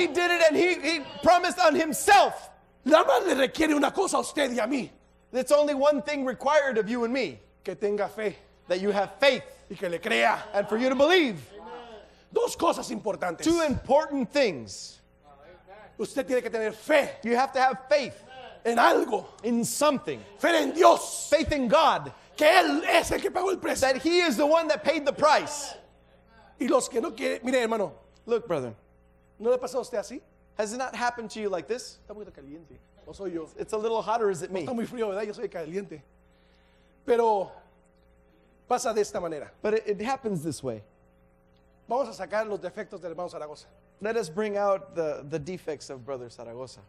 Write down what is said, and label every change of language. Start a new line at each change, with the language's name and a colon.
English: He did it and he promised on himself.
Spanish: Nada más le requiere una cosa a usted y a mí.
English: It's only one thing required of you and me.
Spanish: Que tenga fe.
English: That you have faith.
Spanish: Y que le crea.
English: And for you to believe.
Spanish: Amen. Dos cosas importantes.
English: Two important things.
Spanish: Usted tiene que tener fe.
English: You have to have faith.
Spanish: En algo.
English: In something.
Spanish: Fe en Dios.
English: Faith in God.
Spanish: Que él es el que pagó el precio.
English: That he is the one that paid the price.
Spanish: Y los que no quieren, mire hermano.
English: Look, brother.
Spanish: ¿No le pasó a usted así?
English: Has it not happened to you like this?
Spanish: Está muy caliente. O soy yo.
English: It's a little hotter, is it me?
Spanish: Está muy frío, ¿verdad? Yo soy caliente. Pero pasa de esta manera.
English: But it happens this way.
Spanish: Vamos a sacar los defectos del hermano Zaragoza.
English: Let us bring out the defects of brother Zaragoza.